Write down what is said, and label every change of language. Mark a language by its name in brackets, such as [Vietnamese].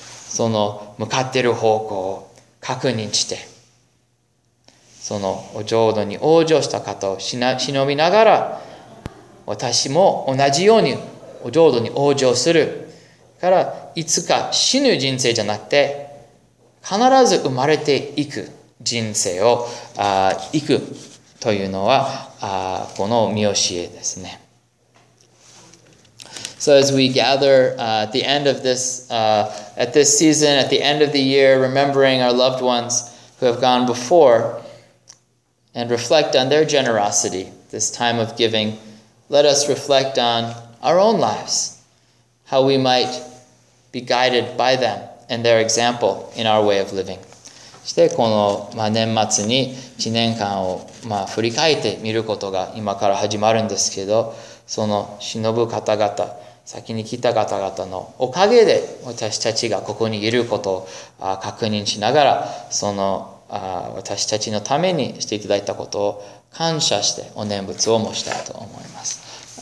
[Japanese] その向かっている方向を確認して、そのお浄土に往生した方を忍びながら、私も同じようにお浄土に往生する。から、いつか死ぬ人生じゃなくて、必ず生まれていく人生を、生く。というのは、この見教えですね。 [English] So as we gather at the end of this, at this season, at the end of the year, remembering our loved ones who have gone before and reflect on their generosity, this time of giving, let us reflect on our own lives, how we might be guided by them and their example in our way of living. [Japanese] そしてこの年末に1年間を振り返ってみることが今から始まるんですけど、その忍ぶ方々、先に来た方々のおかげで私たちがここにいることを確認しながら、その私たちのためにしていただいたことを感謝してお念仏を申したいと思います。